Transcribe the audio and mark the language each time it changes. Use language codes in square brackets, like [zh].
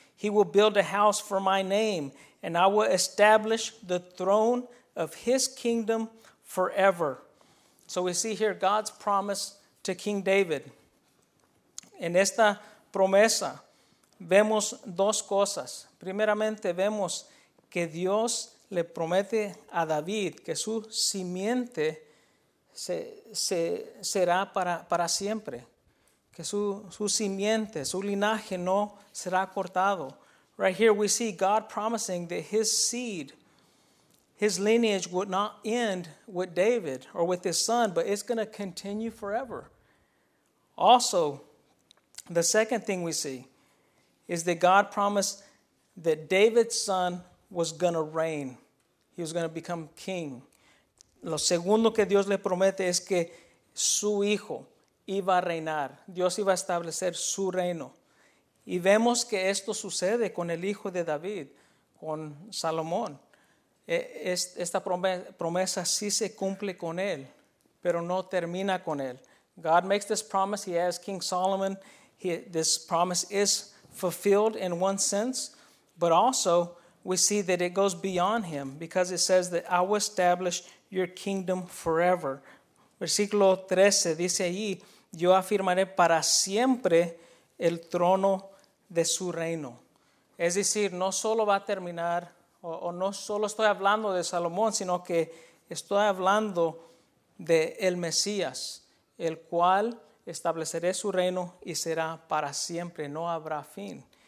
[en] He will build a house for my name, and I will establish the throne of his kingdom forever. So we see here God's promise to King David. [es] En esta promesa vemos dos cosas. Primeramente vemos que Dios le promete a David que su simiente será para siempre. Que su simiente, su linaje no será cortado. [en] Right here we see God promising that his seed, his lineage would not end with David or with his son, but it's going to continue forever. Also, the second thing we see is that God promised that David's son was going to reign. He was going to become king. [es] Lo segundo que Dios le promete es que su hijo iba a reinar. Dios iba a establecer su reino. Y vemos que esto sucede con el hijo de David, con Salomón. Esta promesa sí se cumple con él, pero no termina con él. [en] God makes this promise. He has King Solomon. This promise is fulfilled in one sense. But also, we see that it goes beyond him because it says that I will establish your kingdom forever. [es] Versículo 13 dice allí, yo afirmaré para siempre el trono de su reino. Es decir, no solo va a terminar, o no solo estoy hablando de Salomón, sino que estoy hablando de el Mesías, el cual estableceré su reino y será para siempre, no habrá fin.